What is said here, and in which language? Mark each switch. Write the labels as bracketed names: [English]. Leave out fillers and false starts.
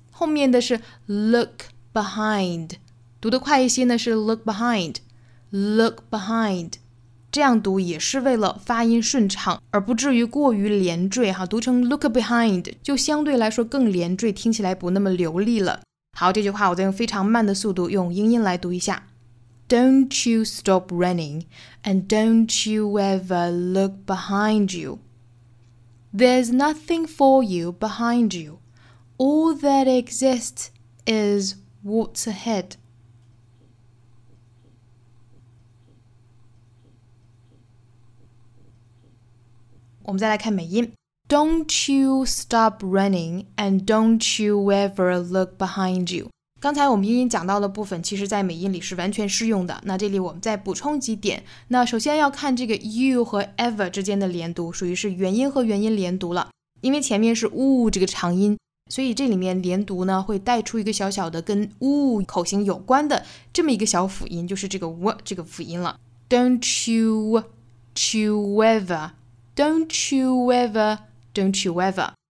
[Chinese] 后面的是 [English] look behind， [Chinese] 读得快一些呢是 look behind， look behind， 这样读也是为了发音顺畅，而不至于过于连缀哈。读成 [English] look behind [Chinese] 就相对来说更连缀，听起来不那么流利了。好，这句话我再用非常慢的速度用英音来读一下。 [English] Don't you stop running and don't you ever look behind you. There's nothing for you behind youAll that exists is what's ahead. We'll [Chinese] 再来看美音。 [English] Don't you stop running and don't you ever look behind you. [Chinese] 刚才我们英音讲到的部分其实在美音里是完全适用的，那这里我们再补充几点。那首先要看这个 you 和 ever 之间的连读，属于是元音和元音连读了，因为前面是 woo 这个长音，所以这里面连读呢会带出一个小小的跟 w 口型有关的这么一个小辅音，就是这个 w 这个辅音了。 [English] Don't you to ever Don't you ever Don't you ever。